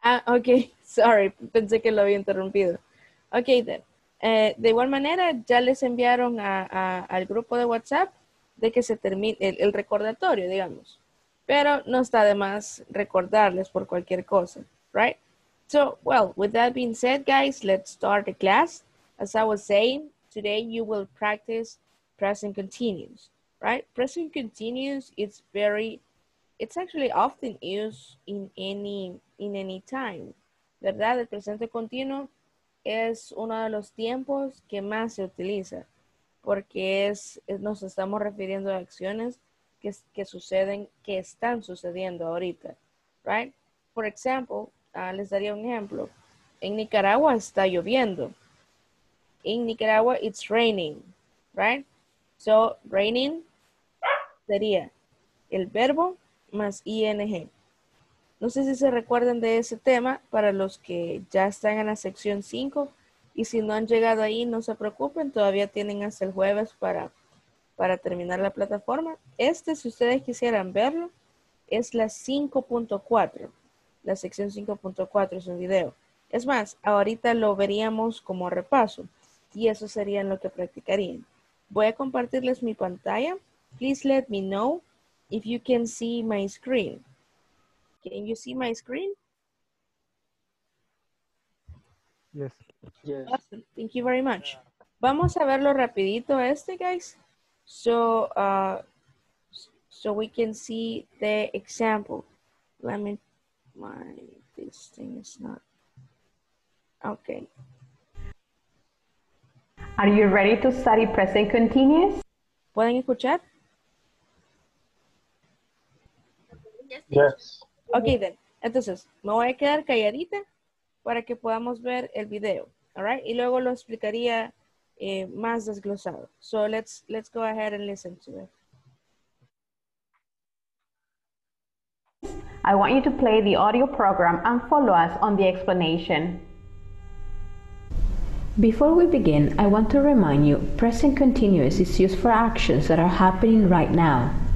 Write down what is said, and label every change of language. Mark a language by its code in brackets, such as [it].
[es] Ah, ok, sorry, pensé que lo había interrumpido. [en] Ok, then. [es] De igual manera, ya les enviaron al grupo de WhatsApp de que se termine el recordatorio, digamos. Pero no está de más recordarles por cualquier cosa, right? [en] So, well, with that being said, guys, let's start the class. As I was saying, today you will practice present continuous, right? Present continuous, it's actually often used in any time, ¿verdad? [es] El presente continuo es uno de los tiempos que más se utiliza porque nos estamos refiriendo a acciones que suceden, que están sucediendo ahorita, right? [en] For example, [es] les daría un ejemplo. En Nicaragua está lloviendo. [en] En Nicaragua it's raining, right? So raining [es] sería el verbo más [en] ing. [es] No sé si se recuerdan de ese tema para los que ya están en la sección 5 y si no han llegado ahí, no se preocupen, todavía tienen hasta el jueves para terminar la plataforma. Este, si ustedes quisieran verlo, es la 5.4. La sección 5.4 es un video. Es más, ahorita lo veríamos como repaso y eso sería lo que practicarían. Voy a compartirles mi pantalla. [en] Please let me know if you can see my screen. Can you see my screen? Yes. Yes. Awesome. Thank you very much. [es] Vamos a verlo rapidito este, [en] guys. So we can see the example. My, this thing is not okay. Are you ready to study present continuous? [es] ¿Pueden escuchar? [en] Yes. Ok, then. [es] Entonces, me voy a quedar calladita para que podamos ver el video. [en] All right? [es] Y luego lo explicaría más desglosado. [en] So let's go ahead and listen to it. I want you to play the audio program and follow us on the explanation. Before we begin, I want to remind you, present continuous is used for actions that are happening right now.